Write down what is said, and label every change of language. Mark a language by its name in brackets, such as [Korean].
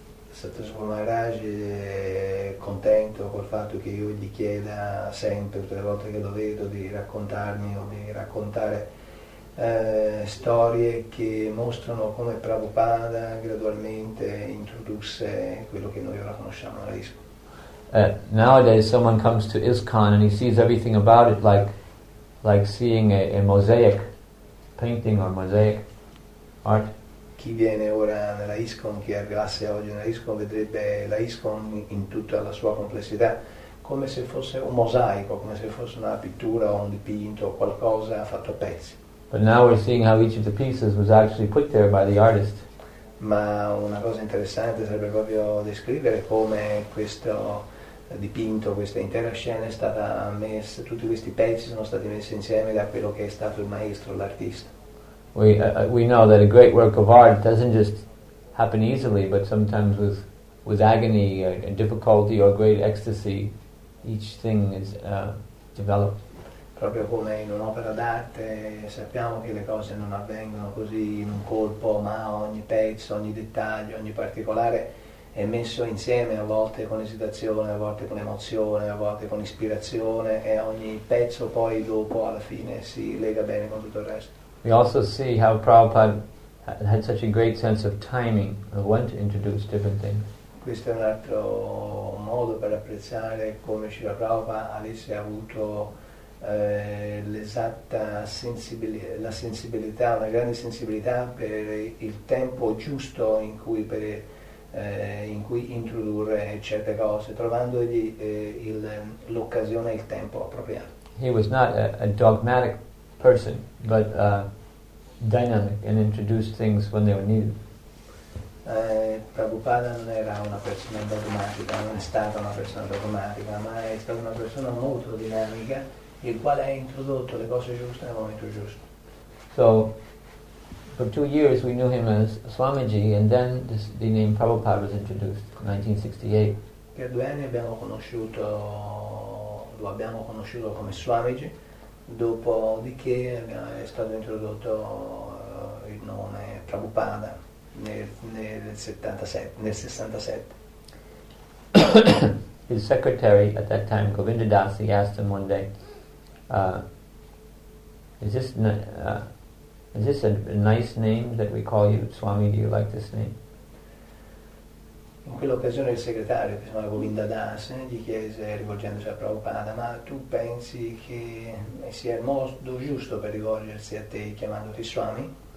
[Italian] Satoshi Maharaj è contento col fatto che io gli chieda sempre, tutte le volte che lo vedo, di raccontarmi o di raccontare storie che mostrano come Prabhupada gradualmente introdusse quello che noi ora conosciamo a ISKCON. [English] Nowadays someone comes to ISKCON and he sees everything about it like seeing a mosaic painting or mosaic art. [Italian] Chi viene ora nella ISKCON, chi arrivasse oggi nella ISKCON, vedrebbe la ISKCON in tutta la sua complessità, come se fosse un mosaico, come se fosse una pittura o un dipinto o qualcosa fatto a pezzi. [English] But now we're seeing how each of the pieces was actually put there by the artist. [Italian] Ma una cosa interessante sarebbe proprio descrivere come questo dipinto, questa intera scena è stata messa, tutti questi pezzi sono stati messi insieme da quello che è stato il maestro, l'artista. [English] We know that a great work of art doesn't just happen easily, but sometimes with agony and difficulty or great ecstasy, each thing is developed. [Italian] Proprio come in un'opera d'arte sappiamo che le cose non avvengono così in un colpo, ma ogni pezzo, ogni dettaglio, ogni particolare è messo insieme, a volte con esitazione, a volte con emozione, a volte con ispirazione, e ogni pezzo poi dopo alla fine si lega bene con tutto il resto. [English] We also see how Prabhupada had such a great sense of timing of when to introduce different things. [Italian] Questo è un altro modo per apprezzare come Srila Prabhupada avesse avuto l'esatta sensibilità, una grande sensibilità per il tempo giusto in cui introdurre certe cose, trovandogli l'occasione e il tempo appropriato. [English] He was not a dogmatic person, but dynamic and introduced things when they were needed. [Italian] Prabhupada non era una persona dogmatica, non è stata una persona dogmatica, ma è stata una persona molto dinamica, il quale ha introdotto le cose giuste nel momento giusto. [English] So, for 2 years we knew him as Swamiji, and then the name Prabhupada was introduced in 1968. [Italian] Per 2 anni lo abbiamo conosciuto come Swamiji, dopodiché è stato introdotto il nome Prabhupada nel 67. [English] His secretary at that time, Govinda Dasi, asked him one day, is this a nice name that we call you, Swami? Do you like this name? [Italian] In quell'occasione il segretario, che si chiamava Govinda Das, gli chiese, rivolgendosi a Prabhupada, ma tu pensi che sia il modo giusto per rivolgersi a te chiamandoti Swami?